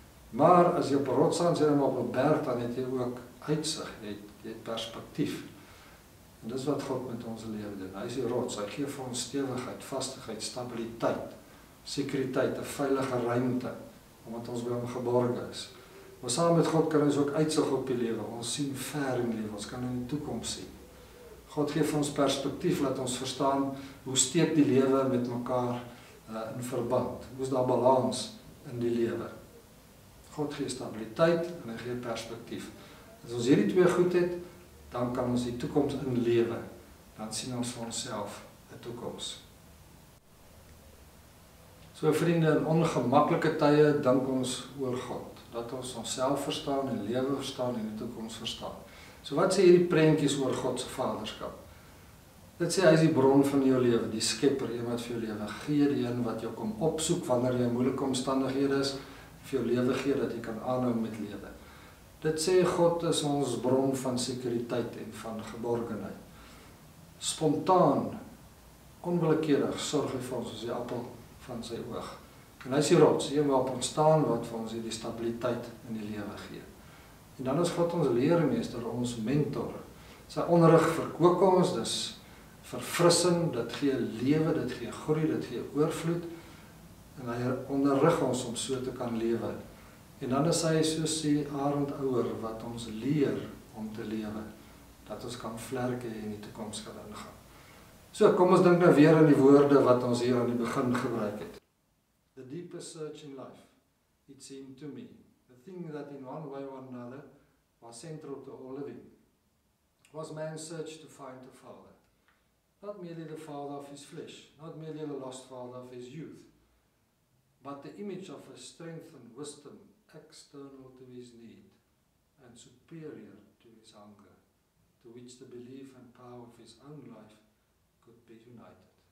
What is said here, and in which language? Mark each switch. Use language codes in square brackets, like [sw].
[af] Maar as jy op 'n rots staan, sê jy maar op 'n berg, dan het jy ook uitsig, jy het perspektief. En dis wat God met ons lewe doen. Hy is die rots, hy gee vir ons stewigheid, vastigheid, stabiliteit, sekuriteit, 'n veilige ruimte, omdat ons by hom geborg is. Maar saam met God kan ons ook uitsig op die lewe. Ons sien ver in die lewe, ons kan in die toekoms sien. God gee vir ons perspektief, laat ons verstaan hoe steek die lewe met mekaar in verband. Hoe is daar balans in die lewe? God gee stabiliteit en hy gee perspektief. As ons hierdie twee goed het, dan kan ons die toekoms in lewe. Dan sien ons vir onsself 'n toekoms. So vriende, in ongemaklike tye dink ons oor God. Dat ons onsself verstaan en lewe verstaan en die toekoms verstaan. So wat sê hierdie prentjies oor God se vaderskap? Dit sê hy is die bron van jou lewe, die skepper, een wat vir jou lewe gee, die een wat jou kom opsoek wanneer jy in moeilike omstandighede is, vir jou lewe gee dat jy kan aanhou met lewe. Dit sê God is ons bron van sekuriteit en van geborgenheid. Spontaan, onwillekeurig sorg hy vir ons as die appel van sy oog. En hy is die rots, die een waarop ons staan, wat vir ons hierdie stabiliteit in die lewe gee. En dan is God ons leermeester, ons mentor. Sy onderrig verkoop ons, dis verfrissing, dit gee lewe, dit gee groei, dit gee oorvloed. En hy onderrig ons om so te kan lewe. En dan is hy soos die arendouer wat ons leer om te lewe, dat ons kan vlerke en die toekoms kan ingaan. So, kom ons dink nou weer aan die woorde wat ons hier aan die begin gebruik het. [en] The deepest search in life, it seemed to me, the thing that in one way or another was central to all living, was man's search to find a father. Not merely the father of his flesh, not merely the lost father of his youth, but the image of a strength and wisdom external to his need and superior to his hunger, to which the belief and power of his own life could be united.